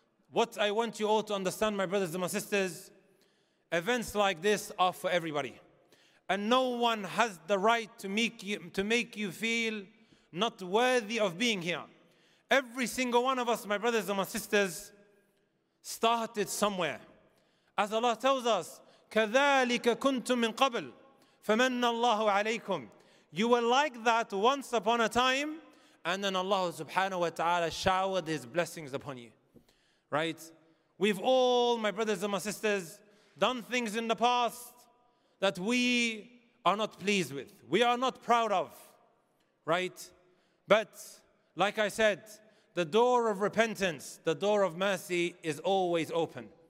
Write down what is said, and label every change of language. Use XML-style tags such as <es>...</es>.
<en>What I want you all to understand, my brothers and my sisters, events like this are for everybody. And no one has the right to make you feel not worthy of being here. Every single one of us, my brothers and my sisters, started somewhere. As Allah tells us,</en> <ar>كَذَٰلِكَ كُنْتُم مِّن قَبْلِ فَمَنَّ اللَّهُ عَلَيْكُمْ.</ar> <en>You were like that once upon a time, and then Allah subhanahu wa ta'ala showered his blessings upon you, right? We've all, my brothers and my sisters, done things in the past that we are not pleased with. We are not proud of, right? But like I said, the door of repentance, the door of mercy is always open.</en>